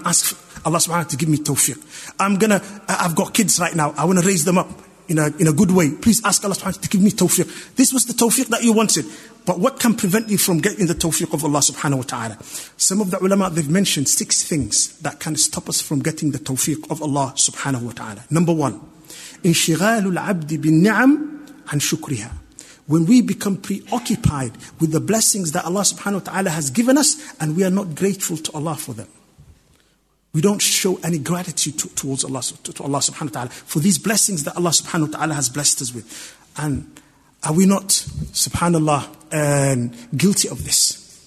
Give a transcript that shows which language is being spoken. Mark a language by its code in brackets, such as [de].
[en] Ask Allah subhanahu wa ta'ala to give me tawfiq. I've got kids right now. I want to raise them up in a good way. Please ask Allah subhanahu wa ta'ala to give me tawfiq. This was the tawfiq that you wanted. But what can prevent you from getting the tawfiq of Allah subhanahu wa ta'ala? Some of the ulama, they've mentioned six things that can stop us from getting the tawfiq of Allah subhanahu wa ta'ala. Number one, [ar] انشغال العبد بالنعم عن شكرها. [en] When we become preoccupied with the blessings that Allah subhanahu wa ta'ala has given us, and we are not grateful to Allah for them. We don't show any gratitude towards Allah, to Allah subhanahu wa ta'ala for these blessings that Allah subhanahu wa ta'ala has blessed us with. And are we not, subhanallah, guilty of this?